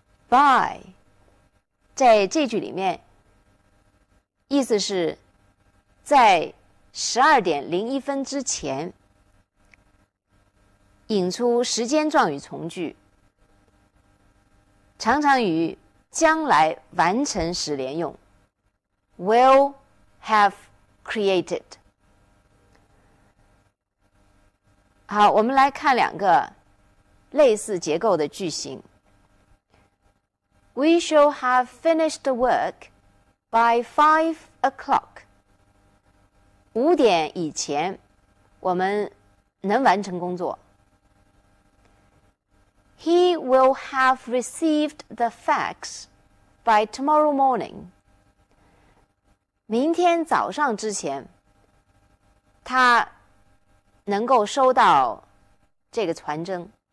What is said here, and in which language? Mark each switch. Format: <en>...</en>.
<zh>By 在这句里面意思是在12:01之前，引出时间状语从句，常常与将来完成时连用。</zh> <en>Will have created。</en> <zh>好，我们来看两个类似结构的句型。</zh> <en>We shall have finished the work by 5 o'clock.</en> <zh>5点以前我们能完成工作。</zh> <en>He will have received the facts by tomorrow morning.</en> <zh>明天早上之前他能够收到这个传真。</zh>